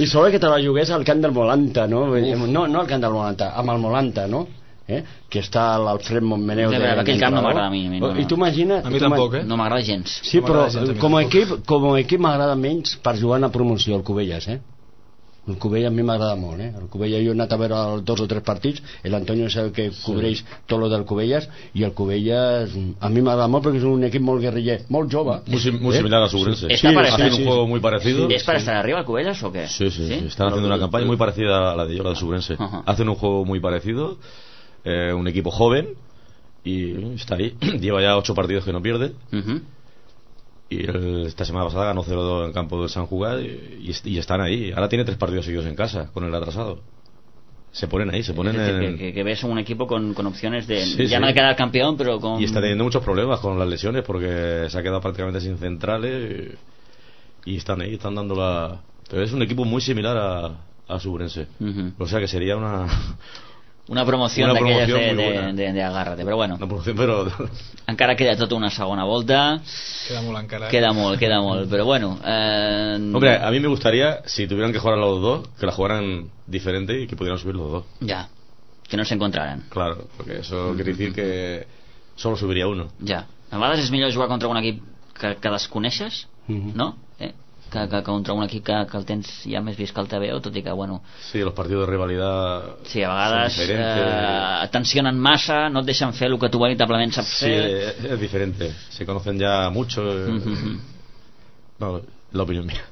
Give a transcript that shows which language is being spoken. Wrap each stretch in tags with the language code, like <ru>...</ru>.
<ca>I sobre que te la jugués al camp del Molanta, no? No al camp del Molanta, amb el Molanta, no? Que està l'Alfred Montmeneu. Aquell camp no m'agrada a mi. I tu imagina't. A mi tampoc, eh? No m'agrada gens. Sí, però com a equip m'agrada menys per jugar a la promoció, el Cubelles, eh? El Cubelles a mi m'agrada molt, eh? El Cubelles, jo he anat a veure els 2 o 3 partits, l'Antonio és el que cobreix tot el del Cubelles, i el Cubelles a mi m'agrada molt perquè és un equip molt guerriller, molt jove. Molt similar a Sobrense. Sí, sí.</ca> <es>Un juego muy parecido. ¿Es para estar arriba, Cubelles, o qué? Sí. Están haciendo una campaña muy parecida a la de yo, la de Sobrense. Hacen un juego muy parecido. Un equipo joven y está ahí, lleva ya 8 partidos que no pierde. Y esta semana pasada ganó 0-2 en campo del San Jugar y están ahí. Ahora tiene 3 partidos seguidos en casa con el atrasado. Se ponen ahí, se ponen en... que ves un equipo con opciones de sí, ya sí. No de quedar campeón, pero con... Y está teniendo muchos problemas con las lesiones porque se ha quedado prácticamente sin centrales y están ahí, están dando la... Pero es un equipo muy similar a Sobrense. O sea que sería una...</es> <ca>Una promoció d'aquelles de agarra-te, però bueno. Una promoció, però... Encara queda tota una segona volta. Queda molt encara. Queda molt, però bueno.</ca> <es>Hombre, a mi me gustaría, si tuvieran que jugar a los dos, que la jugaran diferente y que pudieran subir los dos. Ya, que no se encontraran. Claro, porque eso quiere decir que solo subiría uno.</es> <ca>Ya, a vegades és millor jugar contra un equip que desconeixes, no? Que contra un equip que el tens ja més vist que el TVO, tot i que, bueno... Sí, els partits de rivalitat... Sí, a vegades tensionen massa, no et deixen fer el que tu veritablement saps fer... Sí, és diferent.</ca> <es>Se conocen ja mucho...</es> <ca>No, l'opinió mía.</ca>